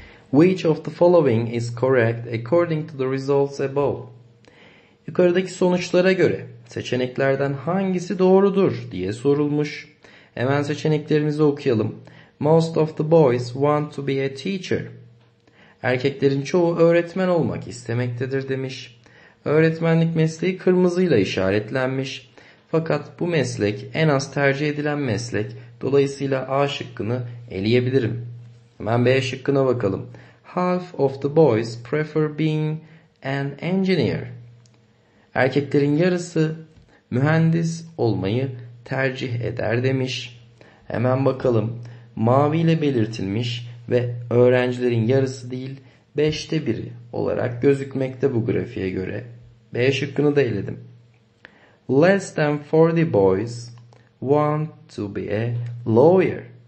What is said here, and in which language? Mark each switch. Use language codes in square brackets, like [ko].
[en] Which of the following is correct according to the results above? [tr] Yukarıdaki sonuçlara göre seçeneklerden hangisi doğrudur diye sorulmuş. Hemen seçeneklerimizi okuyalım. [en] Most of the boys want to be a teacher. [tr] Erkeklerin çoğu öğretmen olmak istemektedir demiş. Öğretmenlik mesleği kırmızıyla işaretlenmiş. Fakat bu meslek en az tercih edilen meslek. Dolayısıyla A şıkkını eleyebilirim. Hemen B şıkkına bakalım. [en] Half of the boys prefer being an engineer. [tr] Erkeklerin yarısı mühendis olmayı tercih eder demiş. Hemen bakalım. Mavi ile belirtilmiş. Ve öğrencilerin yarısı değil, 5'te 1'i olarak gözükmekte bu grafiğe göre. B şıkkını da eledim. [en] Less than 40 boys want to be a lawyer.